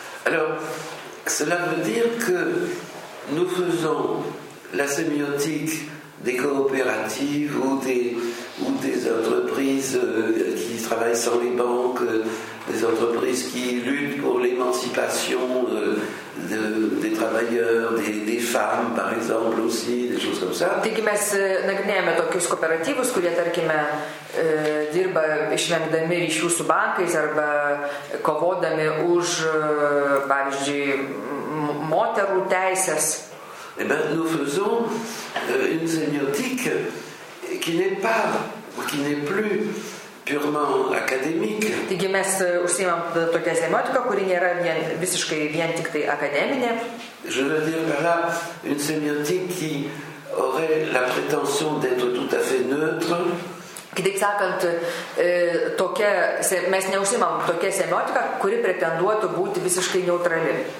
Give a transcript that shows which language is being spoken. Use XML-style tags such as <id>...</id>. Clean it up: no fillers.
<fr>Alors, cela veut dire que nous faisons la sémiotique des coopératives ou des entreprises qui travaillent sans les banques, des entreprises qui luttent pour l'émancipation des travailleurs, des femmes par exemple aussi, des choses comme ça.</fr> <lt>Taigi mes nagrinėjame tokius kooperatyvus, kurie tarkime dirba išvengdami ryšių su bankais arba kovodami už pavyzdžiui moterų teises.</lt> <fr>Eh bien, nous faisons une sémiotique qui n'est plus purement académique.</fr> <lt>Taigi mes užsiimam tokią sémiotiką, kuri nėra visiškai vien tik tai akademinė.</lt> <fr>Je veux dire par là une sémiotique qui aurait la prétention d'être tout à fait neutre.</fr> <lt>Kitaip sakant, mes neužsiimam tokią sémiotiką, kuri pretenduotų būti visiškai neutrali.</lt>